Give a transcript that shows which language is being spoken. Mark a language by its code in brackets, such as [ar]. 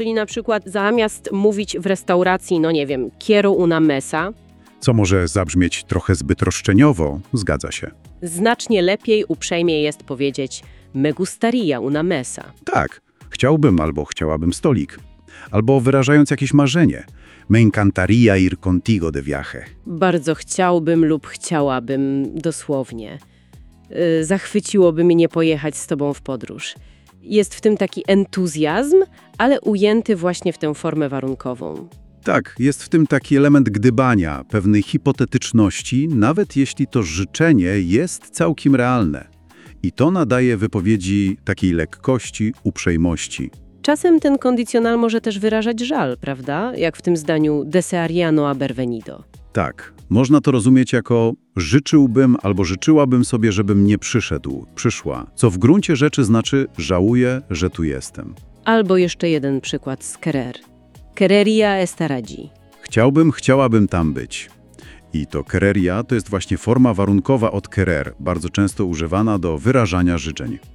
[pl] Czyli na przykład zamiast mówić w restauracji, no nie wiem, [es] quiero una mesa. [pl] Co może zabrzmieć trochę zbyt roszczeniowo, zgadza się. Znacznie lepiej, uprzejmie jest powiedzieć [es] me gustaría una mesa. [pl] Tak, chciałbym albo chciałabym stolik. Albo wyrażając jakieś marzenie. [es] Me encantaría ir contigo de viaje. [pl] Bardzo chciałbym lub chciałabym, dosłownie. Zachwyciłoby mnie pojechać z tobą w podróż. Jest w tym taki entuzjazm, ale ujęty właśnie w tę formę warunkową. Tak, jest w tym taki element gdybania, pewnej hipotetyczności, nawet jeśli to życzenie jest całkiem realne. I to nadaje wypowiedzi takiej lekkości, uprzejmości. Czasem ten kondycjonal może też wyrażać żal, prawda? Jak w tym zdaniu [es] desearía no haber venido. [pl] Tak, można to rozumieć jako życzyłbym albo życzyłabym sobie, żebym nie przyszedł, przyszła. Co w gruncie rzeczy znaczy żałuję, że tu jestem. Albo jeszcze jeden przykład z querer. [es] Quereria estar allí. [pl] Chciałbym, chciałabym tam być. I to quereria to jest właśnie forma warunkowa od querer, bardzo często używana do wyrażania życzeń.